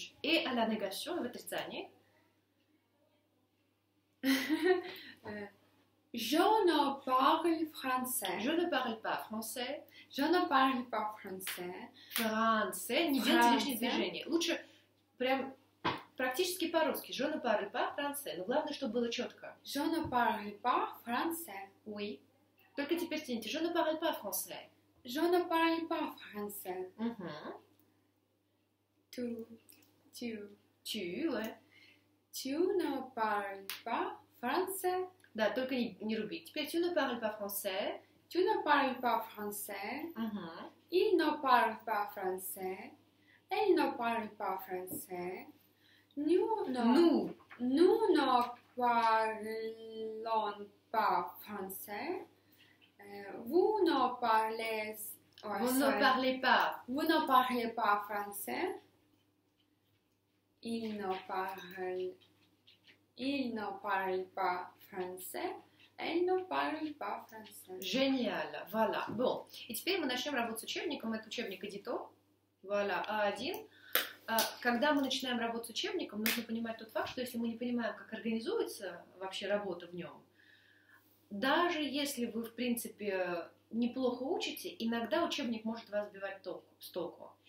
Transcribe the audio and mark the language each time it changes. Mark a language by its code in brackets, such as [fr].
[fr] Et à la négation, le terzanie. Je ne parle français. Je ne parle pas français. Je ne parle pas français. Français. [ru] Не делайте лишние движения. Лучше прям практически по-русски. [fr] Je ne parle pas français. [ru] Но главное, чтобы было четко. [fr] Je ne parle pas français. Oui. [ru] Только теперь тяните. [fr] Je ne parle pas français. Je ne parle pas français. Tu. Tu ne parles pas français. [ru] Да, только не рубить. Теперь [fr] tu ne parles pas français. Tu ne parles pas français. Il ne parle pas français. Elle ne parle pas français. Nous ne parlons pas français. Vous ne parlez. Ouais, vous ne parlez pas. Vous ne parlez pas français. Il ne parle. Il ne parle pas. Français, elle ne parle pas français. Génial, voilà. Bon, et [ru] теперь мы начнем работу с учебником. Это учебник Edito. [fr] Voilà, A1. [ru] Когда мы начинаем работу с учебником, нужно понимать тот факт, что если мы не понимаем, как организуется вообще работа в нем, даже если вы, в принципе, неплохо учите, иногда учебник может вас сбивать с толку.